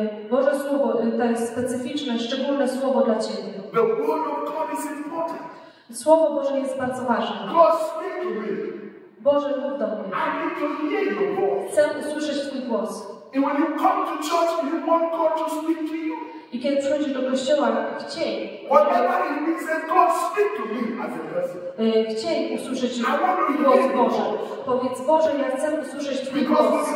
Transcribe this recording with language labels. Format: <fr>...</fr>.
<pl>Boże Słowo to jest specyficzne, szczególne Słowo dla Ciebie.</pl> <en>The word of God is important.</en> <pl>Słowo Boże jest bardzo ważne.</pl> <en>God speak to me.</en> <pl>Boże, mów do mnie.</pl> <en>I need to hear your voice.</en> <pl>Chcę usłyszeć Twój głos.</pl> <en>And when you come to church, you want God to speak to you.</en> <pl>I kiedy przychodzisz do kościoła, chciej.</pl> <en>Whatever it means, that God speak to me as a person.</en> <pl>Chciej usłyszeć głos Boży. Powiedz, Boże, ja chcę usłyszeć Twój głos.</pl>